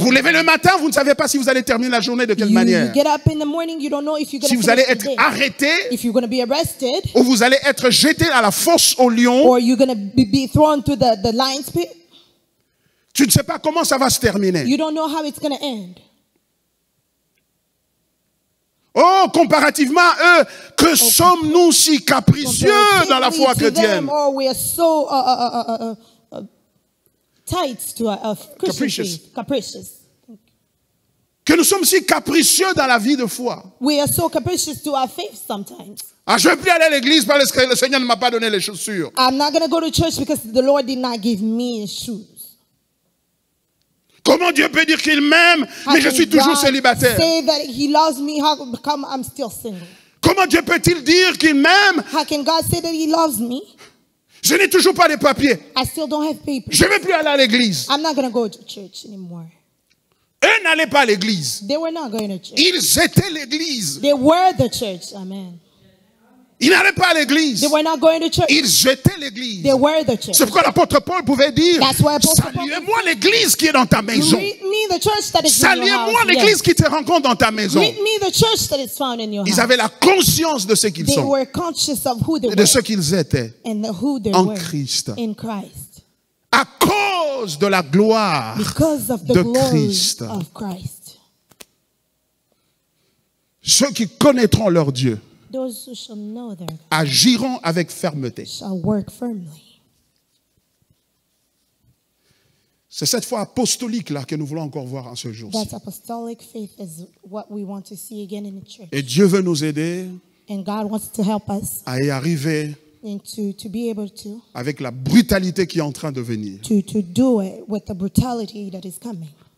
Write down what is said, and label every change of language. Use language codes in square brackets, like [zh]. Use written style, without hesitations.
[fr] Vous levez le matin, vous ne savez pas si vous allez terminer la journée de quelle manière. Si vous allez être arrêté, [en] if you're gonna be arrested, [fr] ou vous allez être jeté à la fosse au lion, [en] or you're gonna be thrown to the lion's pit, [fr] tu ne sais pas comment ça va se terminer. [en] You don't know how it's gonna end. [fr] Oh, comparativement à eux, que okay. sommes-nous si capricieux dans la foi chrétienne? [en] Them, we are so tight to our capricious. Capricious. [fr] Que nous sommes si capricieux dans la vie de foi. [en] We are so capricious to our faith sometimes. [fr] Ah, je ne vais plus aller à l'église parce que le Seigneur ne m'a pas donné les chaussures. [en] I'm not going to go to church because the Lord did not give me shoes. [fr] Comment Dieu peut dire qu'il m'aime, mais je suis toujours célibataire? Comment Dieu peut-il dire qu'il m'aime? [en] How can God say that he loves me? [fr] Je n'ai toujours pas les papiers. [en] I still don't have papers. [fr] Je ne vais plus aller à l'église. [en] I'm not gonna go to church anymore. [fr] Eux n'allaient pas à l'église. [en] They were not going to church. [fr] Ils étaient l'église. [en] They were the church. Amen. [fr] Ils n'allaient pas à l'église. [en] They were not going to church. [fr] Ils étaient l'église. [en] They were the church. [fr] C'est pourquoi l'apôtre Paul pouvait dire, saluez-moi l'église qui est dans ta maison. Saluez-moi l'église qui te rencontre dans ta maison. [en] Greet me the church that is found in your house. [fr] Ils avaient la conscience de ce qu'ils [en] they [fr] sont. [en] Were conscious of who they [fr] et de ce qu'ils étaient [en] and who they [fr] en [en] were [fr] Christ. [en] In Christ. [fr] À cause de la gloire [en] because of the [fr] de [en] glory [fr] Christ. [en] Of Christ. [fr] Ceux qui connaîtront leur Dieu [en] those who shall know their God [fr] agiront avec fermeté. [en] Shall work firmly. [fr] C'est cette foi apostolique là que nous voulons encore voir en ce jour-ci. [en] That apostolic faith is what we want to see again in the church. [fr] Et Dieu veut nous aider [en] and God wants to help us [fr] à y arriver [en] to be able to [fr] avec la brutalité qui est en train de venir. [en] To do it with the brutality that is coming.